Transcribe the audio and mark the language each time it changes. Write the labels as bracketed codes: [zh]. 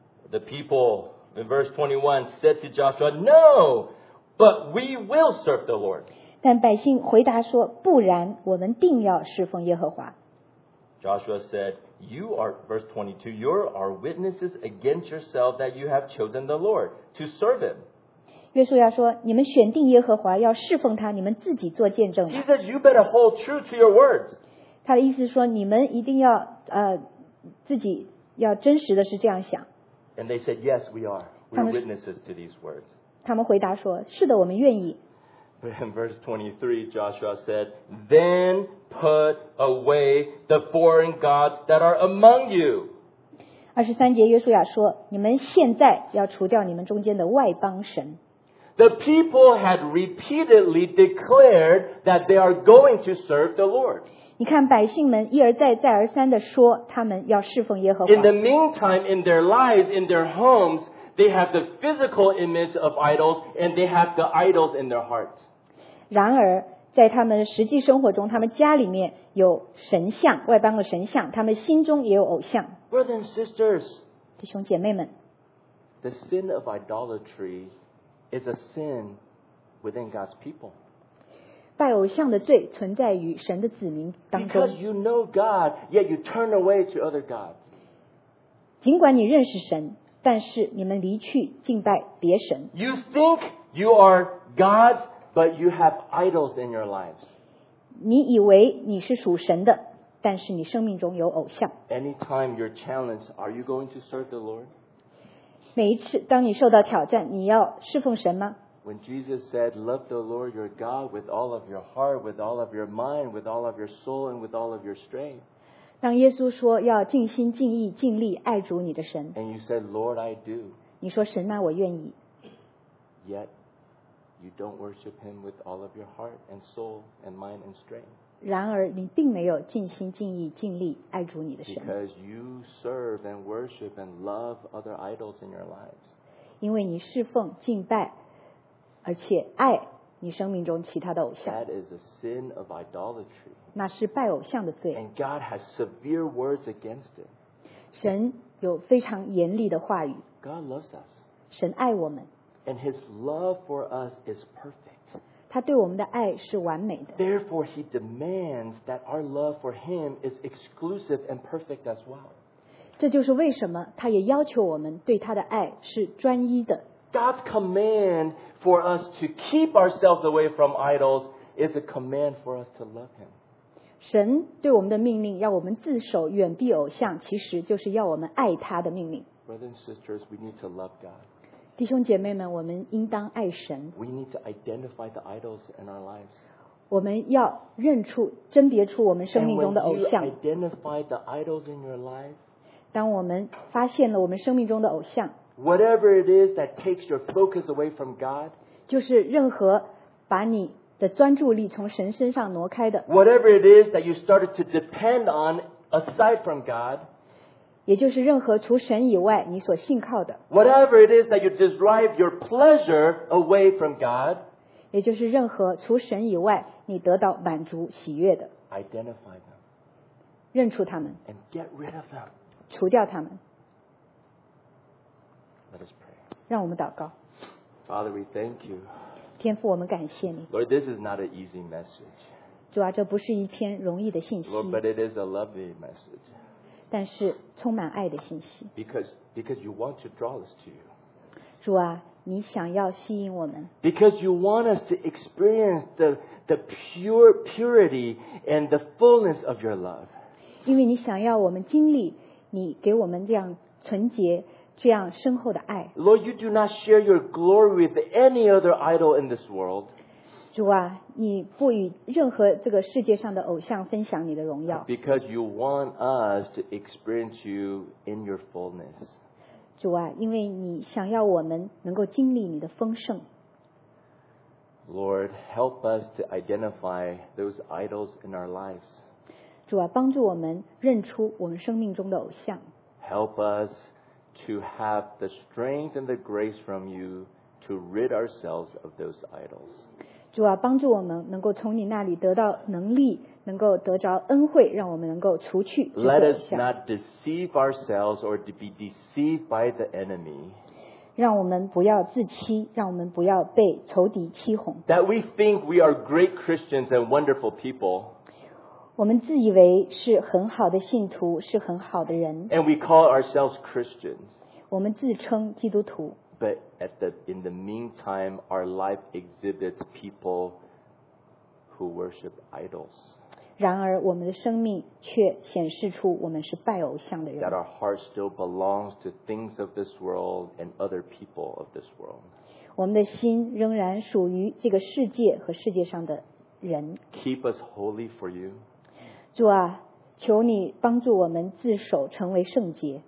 [en] The people in verse 21 said to Joshua, No, but we will serve the Lord. [zh] 但百姓回答说，不然，我们定要侍奉耶和华。 [en] Joshua said, You are, verse 22, you are witnesses against yourself that you have chosen the Lord to serve him. [zh] 约书亚说，你们选定耶和华要侍奉他，你们自己做见证。 [en] He says, You better hold true to your words. [zh] 他的意思说，你们一定要自己要真实的是这样想。 [en] And they said, Yes, we are. We are witnesses to these words. [zh] 他们回答说，是的，我们愿意。 [en] In verse 23, Joshua said, Then put away the foreign gods that are among you. [zh] 23节约书亚说，你们现在要除掉你们中间的外邦神。 [en] The people had repeatedly declared that they are going to serve the Lord. [zh] 你看百姓们一而再再而三地说他们要侍奉耶和华。 [en] In the meantime, in their lives, in their homes, they have the physical image of idols and they have the idols in their hearts. [zh] 然而在他们实际生活中他们家里面有神像外邦的神像他们心中也有偶像。 [en] Brothers and sisters, [zh] 弟兄姐妹们 [en] the sin of idolatry is a sin within God's people. [zh] 拜偶像的罪存在于神的子民当中。 [en] Because you know God, yet you turn away to other gods. [zh] 尽管你认识神但是你们离去敬拜别神。 [en] You think you are God's, but you have idols in your lives. [zh] 你以为你是属神的但是你生命中有偶像。 [en] Anytime you're challenged, are you going to serve the Lord? [zh] 每一次当你受到挑战你要侍奉神吗 [en] When Jesus said, love the Lord your God with all of your heart, with all of your mind, with all of your soul, and with all of your strength. [zh] 当耶稣说要尽心尽意尽力爱主你的神 [en] And you said, Lord, I do. [zh] 你说神啊我愿意 [en] Yet, you don't worship him with all of your heart and soul and mind and strength. [zh] 然而你并没有尽心尽意尽力爱主你的神 [en] Because you serve and worship and love other idols in your lives. [zh] 因为你侍奉敬拜而且爱你生命中其他的偶像 [en] That is a sin of idolatry. [zh] 那是拜偶像的罪 [en] And God has severe words against it. [zh] 神有非常严厉的话语 [en] God loves us. [zh] 神爱我们 [en] And his love for us is perfect. [zh] 他对我们的爱是完美的。 [en] Therefore, he demands that our love for him is exclusive and perfect as well. [zh] 这就是为什么他也要求我们对他的爱是专一的。 [en] God's command for us to keep ourselves away from idols is a command for us to love him. [zh] 神对我们的命令要我们自守远避偶像其实就是要我们爱他的命令。 [en] Brothers and sisters, we need to love God. [zh] 弟兄姐妹们，我们应当爱神。 [en] We need to identify the idols in our lives. [zh] 我们要认出、甄别出我们生命中的偶像。 [en] And when you identify the idols in your life, [zh] 当我们发现了我们生命中的偶像 [en] ，whatever it is that takes your focus away from God, [zh] 就是任何把你的专注力从神身上挪开的 [en] ，whatever it is that you started to depend on aside from God. [zh] 也就是任何除神以外你所信靠的 [en] Whatever it is that you derive your pleasure away from God [zh] 也就是任何除神以外你得到满足喜悦的 [en] Identify them [zh] 认出他们 [en] And get rid of them [zh] 除掉他们 [en] Let us pray [zh] 让我们祷告 [en] Father we thank you [zh] 天父我们感谢你 [en] Lord this is not an easy message [zh] 主啊这不是一篇容易的信息 [en] Lord but it is a lovely message [zh] 但是充满爱的信息 [en] because you want to draw us to you [zh] 主啊你想要吸引我们 [en] because you want us to experience the pure purity and the fullness of your love [zh] 因为你想要我们经历你给我们这样纯洁这样深厚的爱 [en] Lord you do not share your glory with any other idol in this world [zh] 主啊你不与任何这个世界上的偶像分享你的荣耀 [en] Because you want us to experience you in your fullness [zh] 主啊因为你想要我们能够经历你的丰盛 [en] Lord help us to identify those idols in our lives [zh] 主啊帮助我们认出我们生命中的偶像 [en] Help us to have the strength and the grace from you to rid ourselves of those idols [zh] 主啊帮助我们能够从你那里得到能力能够得着恩惠让我们能够除去 [en] Let us not deceive ourselves or to be deceived by the enemy [zh] 让我们不要自欺让我们不要被仇敌欺哄 [en] That we think we are great Christians and wonderful people [zh] 我们自以为是很好的信徒是很好的人 [en] And we call ourselves Christians [zh] 我们自称基督徒 [en] But in the meantime, our life exhibits people who worship idols. [zh] 然而我们的生命却显示出我们是拜偶像的人。 [en] That our heart still belongs to things of this world and other people of this world. [zh] 我们的心仍然属于这个世界和世界上的人。 [en] Keep us holy for you. [zh] 主啊，求你帮助我们自守成为圣洁。